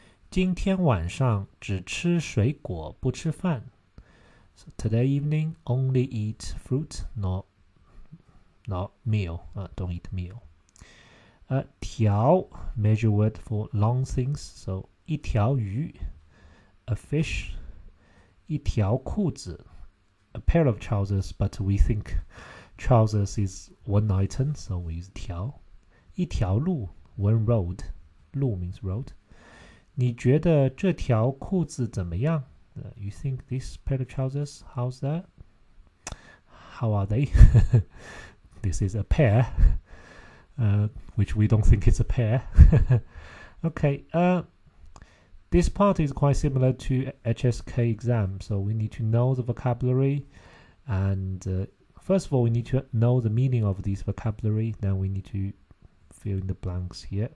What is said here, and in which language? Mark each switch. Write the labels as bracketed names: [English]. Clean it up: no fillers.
[Chinese] 今天晚上只吃水果不吃饭. [English] So today evening, only eat fruit, not meal, don't eat meal. 条, measure word for long things, so [Chinese] 一条鱼, [English] a fish. [Chinese] 一条裤子, [English] a pair of trousers, but we think trousers is one item, so we use 条. [Chinese] 一条路, [English] one road, 路 means road. [Chinese] 你觉得这条裤子怎么样? [English] You think this pair of trousers, how's that? How are they? This is a pair, which we don't think is a pair. Okay, this part is quite similar to HSK exam, so we need to know the vocabulary, and first of all, we need to know the meaning of this vocabulary, then we need to fill in the blanks here.